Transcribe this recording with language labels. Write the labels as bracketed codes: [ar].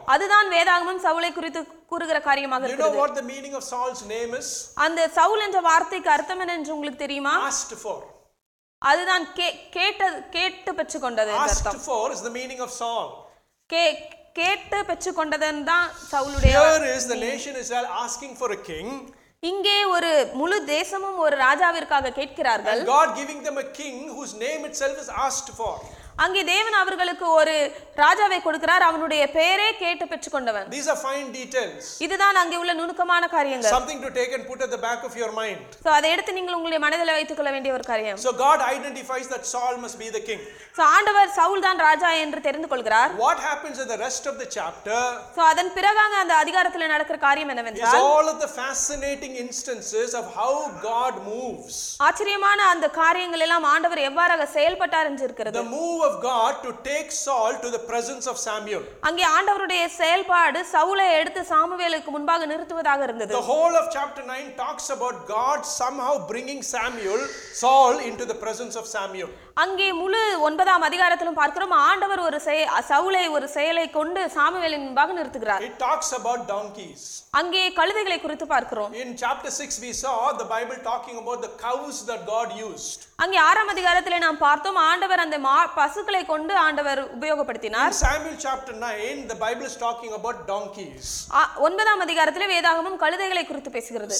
[ta] அதுதான் வேதாகமம் சவுலை குறித்து கூறுகிற காரியமாக இருக்கிறது. [en] You know what the meaning of Saul's name is? [ta] அந்த சவுல் என்ற வார்த்தைக்கு அர்த்தம் என்ன என்று உங்களுக்கு தெரியுமா? [en] Asked for. [ta] அதுதான் கேட்டு பெற்று கொண்டது என்ற அர்த்தம். [en] Asked for is the meaning of Saul. [ta] கேட்டு பெற்று கொண்டதன்றான் சவுலுடைய. [en] Here is the nation Israel asking for a king. [ta] இங்கே ஒரு முழு தேசமும் ஒரு ராஜாவிற்காக கேட்கிறார்கள். [en] And God giving them a king whose name itself is asked for. [ta] அங்கே தேவன் அவர்களுக்கு ஒரு ராஜாவை கொடுக்கிறார். அவனுடைய பெயரே கேட்டு பெற்றுக் கொண்டவன். [en] These are fine details. [ta] இதுதான் அங்கே உள்ள நுணுக்கமான காரியங்கள். [en] Something to take and put at the back of your mind. [ta] So அதை எடுத்து நீங்கள் உங்களுடைய மனதில் வைத்துக் கொள்ள வேண்டிய ஒரு காரியம். [en] So God identifies that Saul must be the king. [ta] So ஆண்டவர் சவுல் தான் ராஜா என்று தெரிந்து கொள்கிறார். [en] What happens in the rest of the chapter? [ta] So அதன் பிறகு அந்த அதிகாரத்தில் நடக்கிற காரியம் என்னவென்றால் [en] All of the fascinating instances of how God moves. [ta] ஆச்சரியமான அந்த காரியங்கள் எல்லாம் ஆண்டவர் எவ்வாறு செயல்பட்டார் என்று இருக்கிறது. [en] The move of God to take Saul to the presence of Samuel. [ta] அங்கே ஆண்டவருடைய செயல்பாடு சவுலை எடுத்து சாமுவேலுக்கு முன்பாக நிறுத்துவதாக இருந்தது. [en] The whole of chapter 9 talks about God somehow bringing Samuel, Saul into the presence of Samuel. [ta] அங்கே முழு 9 அதிகாரத்திலும் பார்க்கிறோம் ஆண்டவர் ஒரு சவுலை ஒரு செயலை கொண்டு சாமுவேலின் முன்பாக நிறுத்துகிறார். [en] It talks about donkeys. [ta] அங்கே கழுதைகளை குறித்து பார்க்கிறோம். [en] In chapter 6 we saw the Bible talking about the cows that God used. [ta] அங்கே 6 அதிகாரத்திலே நாம் பார்த்தோம் ஆண்டவர் அந்த பசுக்களை கொண்டு ஆண்டவர் உபயோகப்படுத்தினார். [en] In Samuel chapter 9 the Bible is talking about donkeys. [ta] 9 அதிகாரத்திலே வேதாகமம் கழுதைகளை குறித்து பேசுகிறது.